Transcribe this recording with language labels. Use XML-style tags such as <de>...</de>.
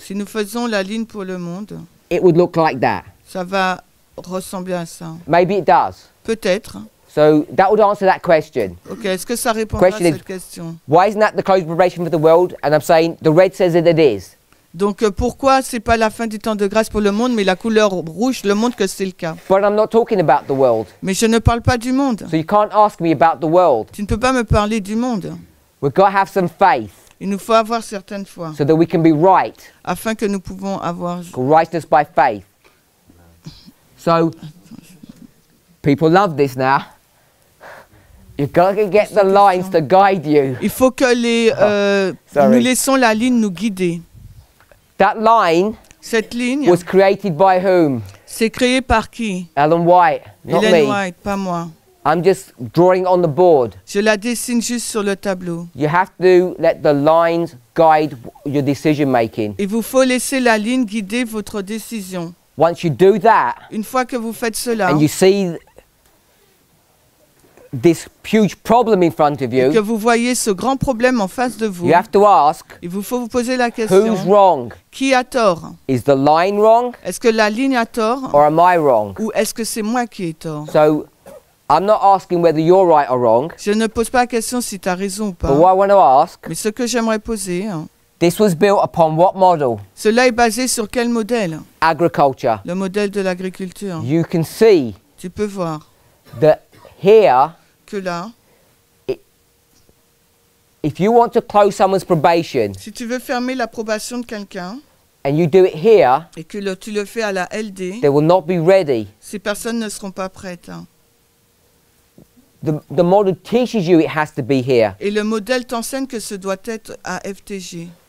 <fr>si nous faisons la ligne pour le monde,</fr> <en>it would look like that.</en> <fr>Ça va ressembler à ça.</fr> <en>Maybe it does.</en> <fr>Peut-être.</fr> <en>So that would answer that question.</en> <fr>Okay, est-ce que ça répond à cette question?</fr> <en>Why isn't that the close probation for the world? And I'm saying the red says that it is.</en> <fr>Donc pourquoi c'est pas la fin du temps de grâce pour le monde, mais la couleur rouge le montre que c'est le cas.</fr> <en>But I'm not talking about the world.</en> <fr>Mais je ne parle pas du monde.</fr> <en>So you can't ask me about the world.</en> <fr>Tu ne peux pas me parler du monde.</fr> <en>We've got to have some faith.</en> <fr>Il nous faut avoir certaines fois.</fr> <en>So that we can be right.</en> <fr>Afin que nous pouvons avoir</fr> <en>righteousness by faith. So people love this now. You gotta get the lines to guide you.</en> <fr>Il faut que les nous laissons la ligne nous guider.</fr> <en>That line.</en> <fr>Cette ligne.</fr> <en>Was created by whom?</en> <fr>C'est créé par qui?</fr> <en>Ellen White, not Ellen me.</en> <fr>Ellen White, pas moi.</fr> <en>I'm just drawing on the board.</en> <fr>Je la dessine juste sur le tableau.</fr> <en>You have to let the lines guide your decision making.</en> <fr>Il vous faut laisser la ligne guider votre décision.</fr> <en>Once you do that.</en> <fr>Une fois que vous faites cela.</fr> <en>And you see. This huge problem in front of you.</en> <fr>Et que vous voyez ce grand problème en face de vous.</fr> <en>You have to ask.</en> <fr>Il vous faut vous poser la question.</fr> <en>Who's wrong?</en> <fr>Qui a tort?</fr> <en>Is the line wrong?</en> <fr>Est-ce que la ligne a tort?</fr> <en>Or am I wrong?</en> <fr>Ou est-ce que c'est moi qui ai tort?</fr> <en>So, I'm not asking whether you're right or wrong.</en> <fr>Je ne pose pas la question si tu as raison ou pas.</fr> <en>But what I want to ask.</en> <fr>Mais ce que j'aimerais poser.</fr> <en>This was built upon what model?</en> <fr>Cela est basé sur quel modèle?</fr> <en>Agriculture.</en> <fr>Le modèle de l'agriculture.</fr> <en>You can see.</en> <fr>Tu peux voir.</fr> <en>That here.</en> <fr>Que là,</fr> <en>if you want to close someone's probation,</en> <fr>si tu veux fermer la probation de quelqu'un,</fr> <en>and you do it here,</en> <fr>et que tu le fais à la LD,</fr> <en>they will not be ready.</en> <fr>Ces personnes ne seront pas prêtes. Hein.</fr> <en>The model teaches you it has to be here.</en> <fr>Et le modèle t'enseigne que ce doit être à FTG.</fr>